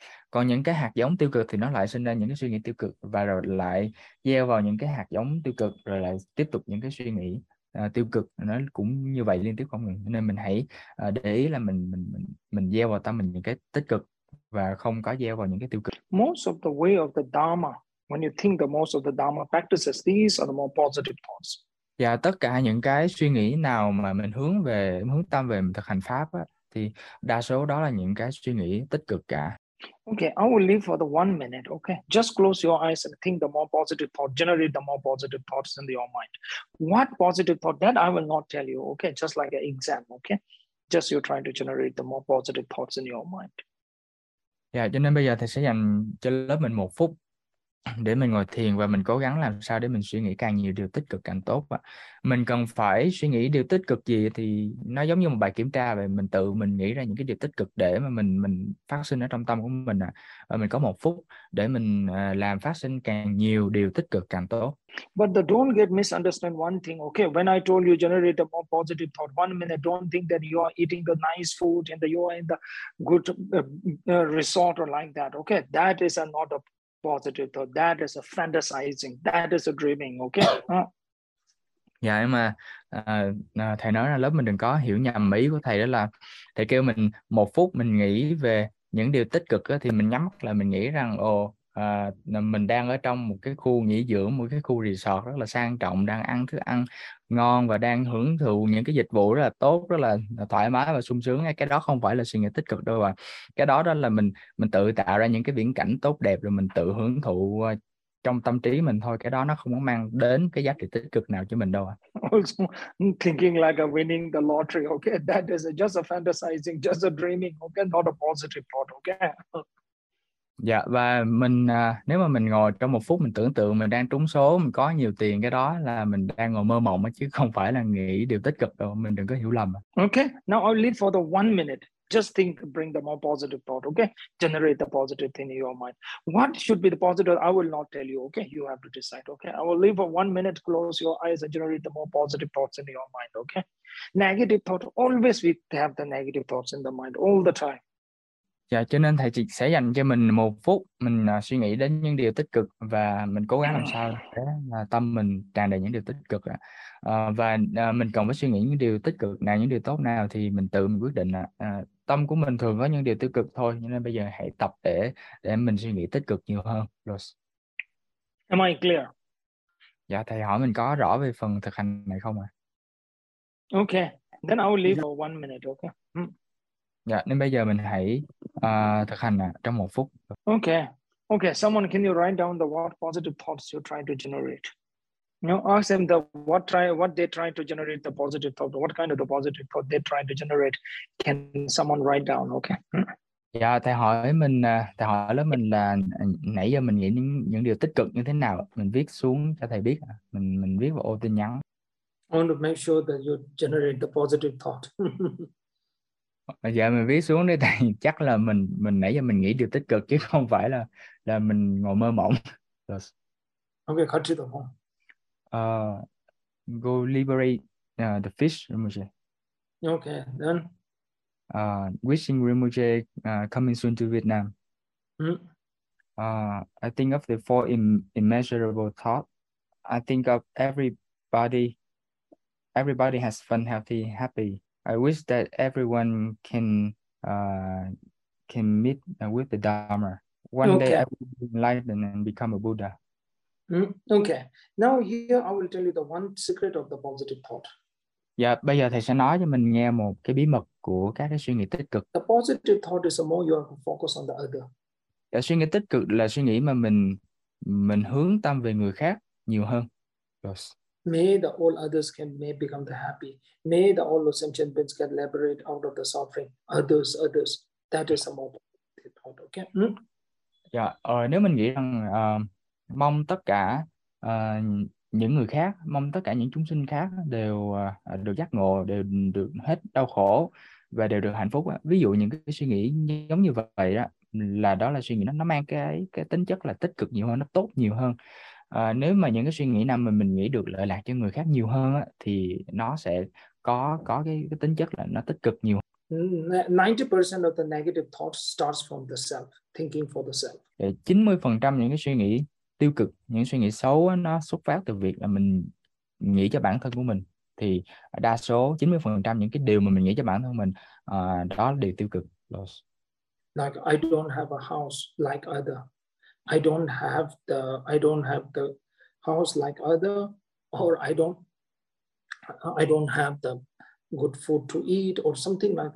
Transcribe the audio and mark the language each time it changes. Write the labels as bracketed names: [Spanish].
[Vietnamese] Còn những cái hạt giống tiêu cực thì nó lại sinh ra những cái suy nghĩ tiêu cực, và rồi lại gieo vào những cái hạt giống tiêu cực, rồi lại tiếp tục những cái suy nghĩ. tiêu cực nó cũng như vậy liên tiếp không ngừng, nên mình hãy để ý là mình gieo vào tâm mình những cái tích cực và không có gieo vào những cái tiêu cực. [English] Most of the way of the Dharma, when you think the most of the Dharma practices, these are the more positive thoughts. [Vietnamese] Và tất cả những cái suy nghĩ nào mà mình hướng về, hướng tâm về mình thực hành pháp á, thì đa số đó là những cái suy nghĩ tích cực cả. [English] Okay, I will leave for the 1 minute. Okay, just close your eyes and think the more positive thought, generate the more positive thoughts in your mind. What positive thought? That I will not tell you. Okay, just like an exam. Okay, just you trying to generate the more positive thoughts in your mind. [Vietnamese] Dạ, cho nên bây giờ thầy sẽ dành cho lớp mình 1 phút để mình ngồi thiền và mình cố gắng làm sao để mình suy nghĩ càng nhiều điều tích cực càng tốt. Mình cần phải suy nghĩ điều tích cực gì thì nó giống như một bài kiểm tra vậy. Mình tự mình nghĩ ra những cái điều tích cực để mà mình phát sinh ở trong tâm của mình. Và mình có 1 phút để mình làm phát sinh càng nhiều điều tích cực càng tốt. [English] But the don't get misunderstand one thing. Okay, when I told you generate a more positive thought, 1 minute, don't think that you are eating the nice food and you are in the good resort or like that. Okay, that is a not a positive thought. That is a fantasizing. That is a dreaming. Okay. [Vietnamese] Dạ, nhưng mà thầy nói là lớp mình đừng có hiểu nhầm ý của thầy, đó là thầy kêu mình 1 phút mình nghĩ về những điều tích cực đó, thì mình nhắm mắt là mình nghĩ rằng mình đang ở trong một cái khu nghỉ dưỡng, một cái khu resort rất là sang trọng, đang ăn thức ăn ngon và đang hưởng thụ những cái dịch vụ rất là tốt, rất là thoải mái và sung sướng. Cái đó không phải là suy nghĩ tích cực đâu, và cái đó đó là mình tự tạo ra những cái viễn cảnh tốt đẹp rồi mình tự hưởng thụ trong tâm trí mình thôi. Cái đó nó không có mang đến cái giá trị tích cực nào cho mình đâu ạ. [English] Also thinking like a winning the lottery, okay, that is just a fantasizing, just a dreaming, okay, not a positive thought, okay. [Vietnamese] Dạ, và mình nếu mà mình ngồi trong 1 phút mình tưởng tượng mình đang trúng số, mình có nhiều tiền, cái đó là mình đang ngồi mơ mộng ấy, chứ không phải là nghĩ điều tích cực đâu, mình đừng có hiểu lầm. [English] Okay, now I'll leave for the 1 minute. Just think, bring the more positive thought, okay? Generate the positive thing in your mind. What should be the positive? I will not tell you, okay? You have to decide, okay? I will leave for 1 minute, close your eyes and generate the more positive thoughts in your mind, okay? Negative thought, always we have the negative thoughts in the mind all the time. [Vietnamese] Dạ, cho nên thầy chỉ sẽ dành cho mình 1 phút mình suy nghĩ đến những điều tích cực và mình cố gắng làm sao để tâm mình tràn đầy những điều tích cực ạ. Và mình cần phải suy nghĩ những điều tích cực nào, những điều tốt nào thì mình tự mình quyết định ạ. Tâm của mình thường có những điều tiêu cực thôi, nên bây giờ hãy tập để mình suy nghĩ tích cực nhiều hơn. Rồi. [English] Am I clear? [Vietnamese] Dạ, thầy hỏi mình có rõ về phần thực hành này không ạ? [English] Okay, then I will leave for 1 minute, okay? [Vietnamese] Dạ, nên bây giờ mình hãy thực hành trong 1 phút. [English] Okay. Okay, someone can you write down the what positive thoughts you're trying to generate? You know, ask them the what they try to generate the positive thought, what kind of the positive thought they try to generate. Can someone write down? Okay. [Vietnamese] Dạ, thầy hỏi lớp mình là nãy giờ mình nghĩ những điều tích cực như thế nào, mình viết xuống cho thầy biết, mình viết vào ô tin nhắn. [English] I want to make sure that you generate the positive thought. [Vietnamese] Dạ, mình viết xuống đây thì chắc là mình nãy giờ mình nghĩ điều tích cực chứ không phải là mình ngồi mơ mộng. [English] Ok, cut to the point. Go liberate the fish, Rinpoche. Ok, then? Wishing Rinpoche coming soon to Vietnam. I think of the 4 immeasurable thoughts. I think of everybody has fun, healthy, happy. I wish that everyone can meet with the Dharma. One day I will be enlightened and become a Buddha. Okay. Now here I will tell you the one secret of the positive thought. [Vietnamese] Yeah, bây giờ thầy sẽ nói cho mình nghe một cái bí mật của các cái suy nghĩ tích cực. [English] The positive thought is the more you are focused on the other. [Vietnamese] Yeah, suy nghĩ tích cực là suy nghĩ mà mình hướng tâm về người khác nhiều hơn. [English] Yes. May the all others can may become the happy. May the all those sentient beings can liberate out of the suffering. Others. That is a more positive thought, okay? [Vietnamese] Dạ, nếu mình nghĩ rằng mong tất cả những người khác, mong tất cả những chúng sinh khác đều được giác ngộ, đều được hết đau khổ và đều được hạnh phúc. Ví dụ những cái suy nghĩ giống như vậy đó, là đó là suy nghĩ nó mang cái tính chất là tích cực nhiều hơn, nó tốt nhiều hơn. Nếu mà những cái suy nghĩ nào mà mình nghĩ được lợi lạc cho người khác nhiều hơn á, thì nó sẽ có cái tính chất là nó tích cực nhiều hơn. [English] 90% of the negative thoughts starts from the self, thinking for the self. [Vietnamese] 90% những cái suy nghĩ tiêu cực, những suy nghĩ xấu á, nó xuất phát từ việc là mình nghĩ cho bản thân của mình. thì đa số 90% những cái điều mà mình nghĩ cho bản thân mình đó là điều tiêu cực. [English] Like I don't have a house like other. I don't have the house like other, or I don't have the good food to eat, or something like that.